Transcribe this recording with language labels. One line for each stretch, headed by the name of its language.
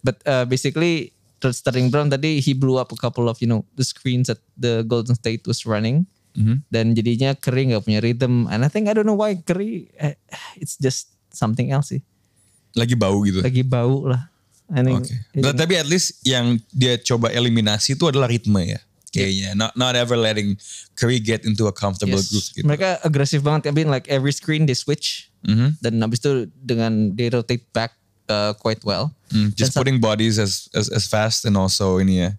English: But basically, Sterling Brown tadi, he blew up a couple of, you know, the screens that the Golden State was running. Mm-hmm.
Indonesian: Dan jadinya Curry gak punya rhythm.
English: And I think, I don't know why Curry, it's just something else
Indonesian: sih. Lagi bau gitu. Lagi bau lah. Okay. Tapi
English: at least
Indonesian: yang dia coba eliminasi itu adalah ritme ya. Kayaknya,
English: not ever letting Curry get into a comfortable group.
Indonesian: Gitu. Mereka agresif banget,
English: I mean like every screen they switch. Mm-hmm.
Indonesian: Dan abis itu dengan
English: they rotate back quite well. Just putting bodies as fast and also
Indonesian: ini ya.